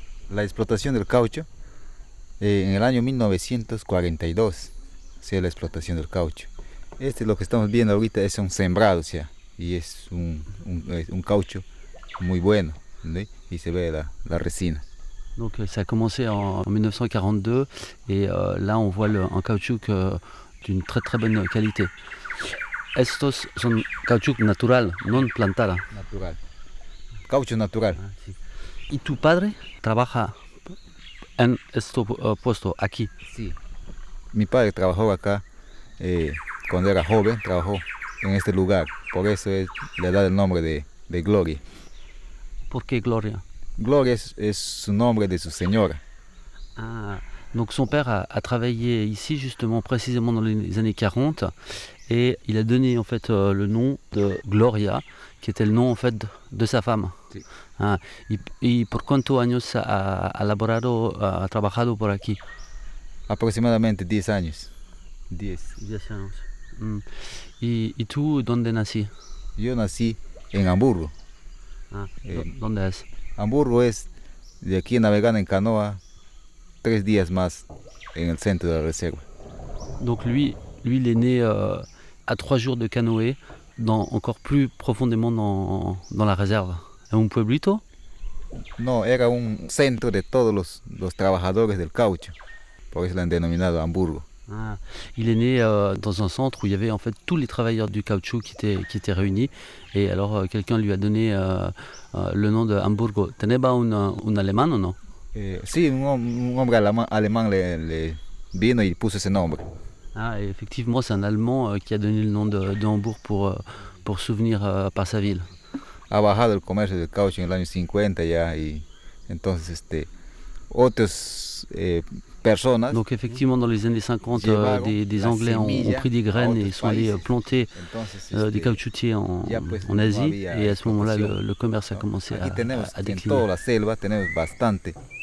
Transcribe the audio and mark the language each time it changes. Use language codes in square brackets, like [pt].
[es] La explotación del caucho en el año 1942, sea la explotación del caucho. Este es lo que estamos viendo ahorita, es un sembrado, o sea, y es un caucho muy bueno, ¿sí? Y se ve la resina. [fr] Donc ça a commencé en 1942 et là on voit un caoutchouc d'une très très bonne qualité. [es] Estos son caoutchouc natural, no plantada. Natural. Caucho natural. Ah, sí. ¿Y tu padre trabaja en este puesto aquí? Sí. Mi padre trabajó acá cuando era joven, trabajó en este lugar. Por eso le da el nombre de Gloria. ¿Por qué Gloria? Gloria es su nombre de su señora. Ah. [fr] Donc son père a travaillé ici justement précisément dans les années 40 et il a donné en fait le nom de Gloria qui était le nom en fait de sa femme. [es] Sí. Y por cuántos años ha laborado, ha trabajado por aquí? Aproximadamente 10 años. 10. 10 años. ¿Y tú dónde nací? Yo nací en Hamburgo. Ah, ¿dónde es? Hamburgo es de aquí navegando en canoa. 3 días más en el centro de la reserva. [fr] Donc lui il est né à 3 jours de canoë dans encore plus profondément dans la réserve. [es] ¿Es un pueblito? No, era un centro de todos los trabajadores del caucho. Por eso lo han denominado Hamburgo. [fr] Ah, il est né dans un centre où il y avait en fait tous les travailleurs du caoutchouc qui étaient réunis et alors quelqu'un lui a donné le nom de Hamburgo. [es] ¿Tenía un alemán o no? Sí, un hombre alemán le vino y puso ese nombre. [fr] Ah, effectivement, c'est un Allemand qui a donné le nom de Hambourg pour souvenir par sa ville. [es] Ha bajado el comercio del caucho en el año 50 ya y entonces otras personas. [fr] Donc effectivement, dans les années 50, des Anglais ont pris des graines et sont allés planter des caoutchouciers en Asie et à ce moment-là, le commerce a commencé à décliner. [es] Aquí tenemos en toda la selva tenemos bastante.